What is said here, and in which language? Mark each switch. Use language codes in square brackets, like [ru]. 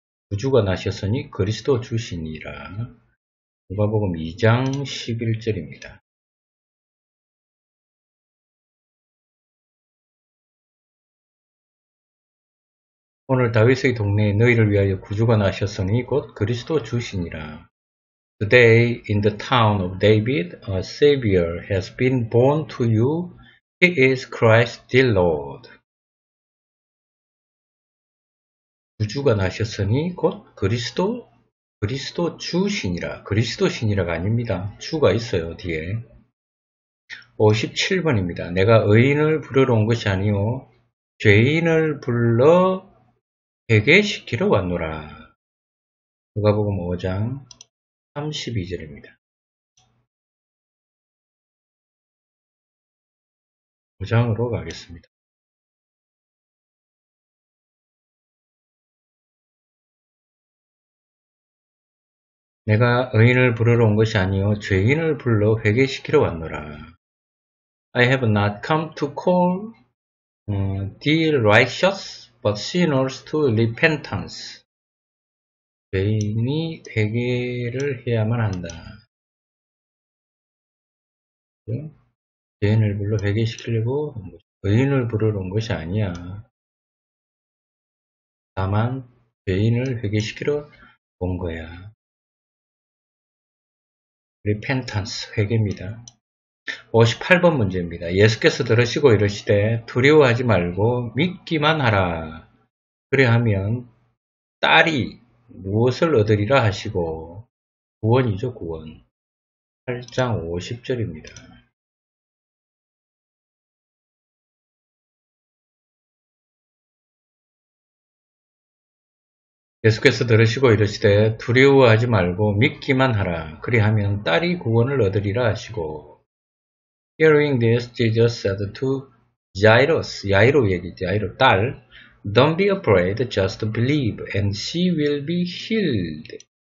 [ko] 구주가 나셨으니 그리스도 주시니라. 누가복음 2장 11절입니다. 오늘 다윗의 동네에 너희를 위하여 구주가 나셨으니 곧 그리스도 주시니라. [en] Today in the town of David, a Savior has been born to you. He is Christ the Lord. [ko] 구주가 나셨으니 곧 그리스도 주시니라. 그리스도신이라가 아닙니다. 주가 있어요, 뒤에. 57번입니다. 내가 의인을 부르러 온 것이 아니오. 죄인을 불러 회개시키러 왔노라. 누가복음 5장 32절입니다. 5장으로 가겠습니다. 내가 의인을 부르러 온 것이 아니요 죄인을 불러 회개시키러 왔노라. [en] I have not come to call the righteous but sinners to repentance. [ko] 죄인이 회개를 해야만 한다. 죄인을 불러 회개시키려고 의인을 부르러 온 것이 아니야. 다만 죄인을 회개시키러 온 거야. Repentance, 회개입니다. 58번 문제입니다. 예수께서 들으시고 이르시되 두려워하지 말고 믿기만 하라. 그리하면 딸이 무엇을 얻으리라 하시고 구원이죠, 구원. 8장 50절입니다. 예수께서 들으시고 이르시되 두려워하지 말고 믿기만 하라. 그리하면 딸이 구원을 얻으리라 하시고. [en] Hearing this, Jesus said to Jairus, [ko] 야이로 얘기지, 야이로 딸, [en] Don't be afraid, just believe, and she will be healed.